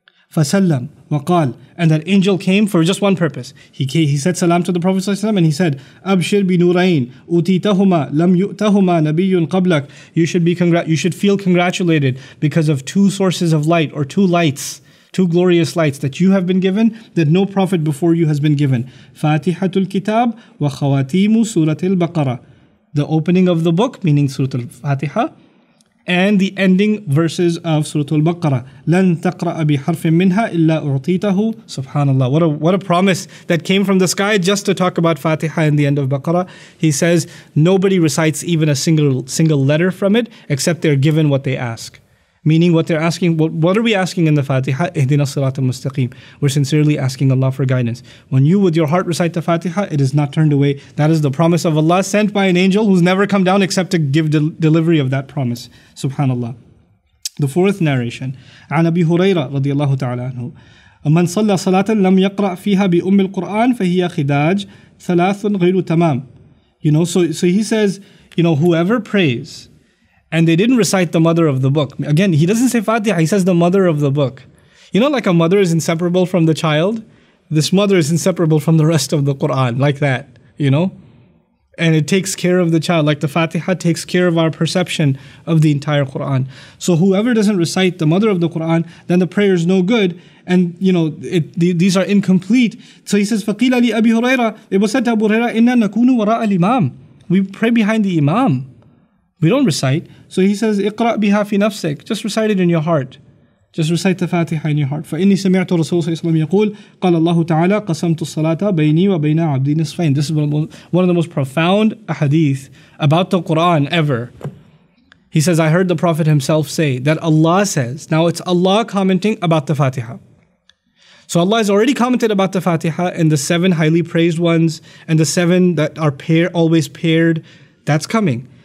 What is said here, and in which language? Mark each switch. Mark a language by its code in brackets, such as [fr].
[ar] فسلم وقال [en] and that angel came for just one purpose he said salam to the prophet [ar] صلى الله عليه وسلم [en] and he said [ar] أبشر بنورين أتيتهما لم يؤتهما نبي قبلك [en] you should feel congratulated because of two sources of light or two lights Two glorious lights that you have been given, that no prophet before you has been given. [ar] فاتحة الكتاب وخواتيم سورة البقرة. [en] The opening of the book, meaning سورة الفاتحة, and the ending verses of سورة البقرة. [ar] لن تقرأ بحرف منها إلا أعطيته. Subhanallah. [en] What a promise that came from the sky just to talk about Fatiha in the end of Baqarah. He says, nobody recites even a single letter from it, except they're given what they ask. Meaning what they're asking, what are we asking in the Fatiha? [ar] اهدنا الصراط المستقيم. [en] We're sincerely asking Allah for guidance. When you with your heart recite the Fatiha, it is not turned away. That is the promise of Allah sent by an angel who's never come down except to give delivery of that promise. SubhanAllah. The fourth narration. [ar] عن أبي هريرة رضي الله تعالى عنه. من صلى صلاة لم يقرأ فيها بأم القرآن فهي خداج ثلاث غير تمام. [en] You know, so he says, you know, whoever prays, And they didn't recite the mother of the book. Again, he doesn't say Fatiha, he says the mother of the book. You know, like a mother is inseparable from the child? This mother is inseparable from the rest of the Quran, like that, you know? And it takes care of the child, like the Fatiha takes care of our perception of the entire Quran. So whoever doesn't recite the mother of the Quran, then the prayer is no good. And, you know, these are incomplete. So he says, [ar] فَقِيلَ لِي أَبِي هُرَيْرَةَ [en] It was said to Abu Huraira, [ar] إِنَّا نَكُونُ وَرَاءَ الْإِمَامِ [en] We pray behind the Imam. We don't recite. So he says, [ar] اقرأ بها في نفسك. [en] Just recite it in your heart. Just recite the Fatiha in your heart. [ar] فإني سمعت رسول صلى الله عليه وسلم يقول قال الله تعالى قسمت الصلاة بيني وبين عبدي نصفين. [en] This is one of the most profound hadith about the Quran ever. He says, I heard the Prophet himself say that Allah says, now it's Allah commenting about the Fatiha. So Allah has already commented about the Fatiha and the seven highly praised ones and the seven that are always paired. That's coming.